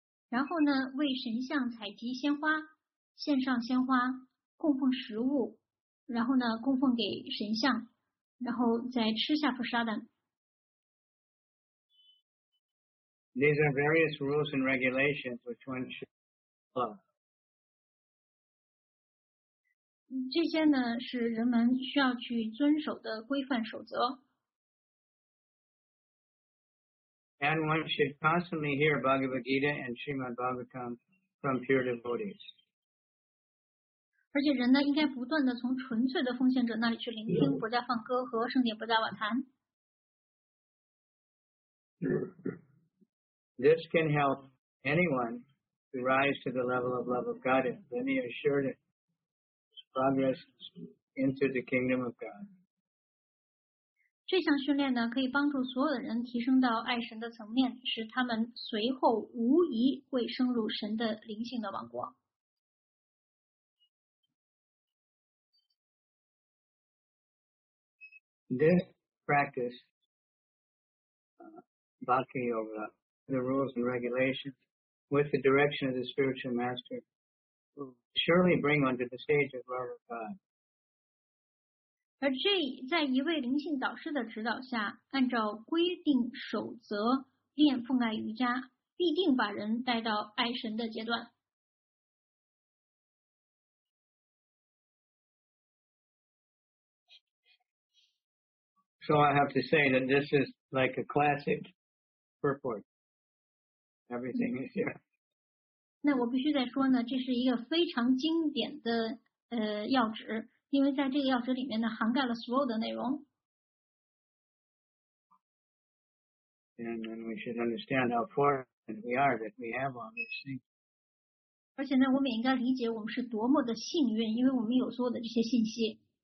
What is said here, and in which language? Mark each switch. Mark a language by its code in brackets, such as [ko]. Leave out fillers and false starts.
[zh] 然后呢，为神像采集鲜花，献上鲜花，供奉食物，然后呢，供奉给神像，然后再吃下 prasadam. [en] These are various rules and regulations which one should follow. [zh] 这些呢是人们需要去遵守的规范守则。 [en] And one should constantly hear Bhagavad Gita and Srimad Bhagavatam from pure devotees. [zh] 而且人呢应该不断的从纯粹的奉献者那里去聆听佛家梵歌和圣典佛家瓦坛。 [en] This can help anyone to rise to the level of love of God, and then he assured itProgress into the kingdom of God. [zh] 这项训练呢，可以帮助所有的人提升到爱神的层面，使他们随后无疑会升入神的灵性的王国。 [en] This practice, Bhakti Yoga, the rules and regulations, with the direction of the spiritual master. Surely bring onto the stage of love of God. [zh] 而这在一位灵性导师的指导下，按照规定守则练奉爱瑜伽，必定把人带到爱神的阶段。 [en] So I have to say that this is like a classic purport. Everything is here. [zh] 那我必须再说呢，这是一个非常经典的要旨，因为在这个要旨里面呢，涵盖了所有的内容。 [en] And then we should understand how fortunate we are that we have all these things. [zh] 而且呢，我们也应该理解我们是多么的幸运，因为我们有所有的这些信息。